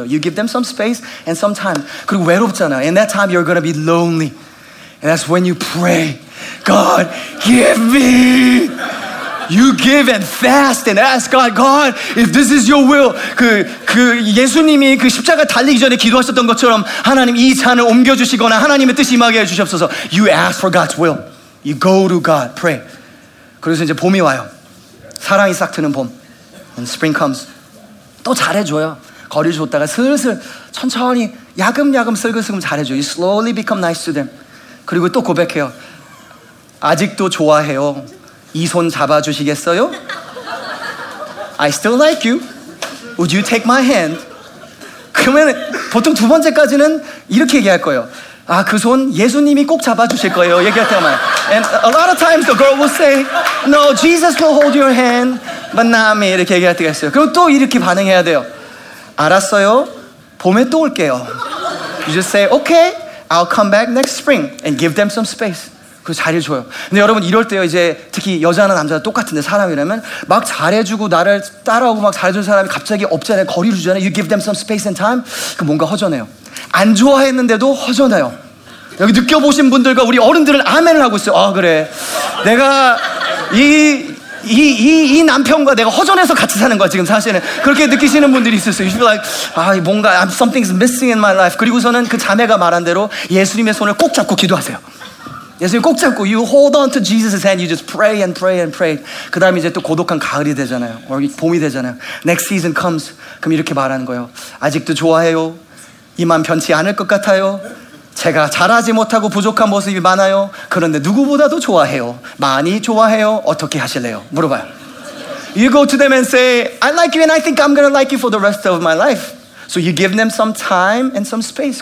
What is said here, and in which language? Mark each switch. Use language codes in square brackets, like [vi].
[en] You give them some space and some time. [ko] 그리고 외롭잖아요. [en] In that time, you're going to be lonely. And that's when you pray, God, give me. You give and fast and ask God, God, if this is your will. [ko] 그 예수님이 그 십자가 달리기 전에 기도하셨던 것처럼 하나님 이 잔을 옮겨주시거나 하나님의 뜻이 임하게 해주시옵소서. [en] You ask for God's will. You go to God, pray. [ko] 그래서 이제 봄이 와요. 사랑이 싹 트는 봄. [en] When spring comes, [ko] 또 잘해줘요. 거리 줬다가 슬슬 천천히 야금야금 슬금슬금 잘해줘요. [en] You slowly become nice to them. [ko] 그리고 또 고백해요. 아직도 좋아해요. 이 손 잡아주시겠어요? [en] I still like you. Would you take my hand? [ko] 그러면 보통 두 번째까지는 이렇게 얘기할 거예요. 아, 그 손 예수님이 꼭 잡아주실 거예요. 얘기할 때만. [en] And a lot of times the girl will say, No, Jesus will hold your hand. But not me. [ko] 이렇게 얘기할 때가 있어요. 그럼 또 이렇게 반응해야 돼요. 알았어요. 봄에 또 올게요. [en] You just say, Okay, I'll come back next spring and give them some space. [ko] 그 자리를 줘요. 근데 여러분 이럴 때요 이제 특히 여자나 남자나 똑같은데 사람이라면 막 잘해주고 나를 따라오고 막 잘해주는 사람이 갑자기 없잖아요. 거리를 주잖아요. [en] You give them some space and time. [ko] 그 뭔가 허전해요. 안 좋아했는데도 허전해요. 여기 느껴보신 분들과 우리 어른들은 아멘을 하고 있어요. 아 그래. 내가 이 남편과 내가 허전해서 같이 사는 거야 지금 사실은. 그렇게 느끼시는 분들이 있을 수 있어요. [en] You feel like [ko] 아 뭔가 [en] something's missing in my life. [ko] 그리고서는 그 자매가 말한 대로 예수님의 손을 꼭 잡고 기도하세요. 예수님 꼭 잡고 [en] you hold on to Jesus' hand. You just pray and pray and pray. [ko] 그 다음에 이제 또 고독한 가을이 되잖아요. 봄이 되잖아요. [en] Next season comes. [ko] 그럼 이렇게 말하는 거예요. 아직도 좋아해요. 이만 변치 않을 것 같아요. 제가 잘하지 못하고 부족한 모습이 많아요. 그런데 누구보다도 좋아해요. 많이 좋아해요. 어떻게 하실래요? 물어봐요. [en] You go to them and say, I like you and I think I'm gonna like you for the rest of my life. So you give them some time and some space.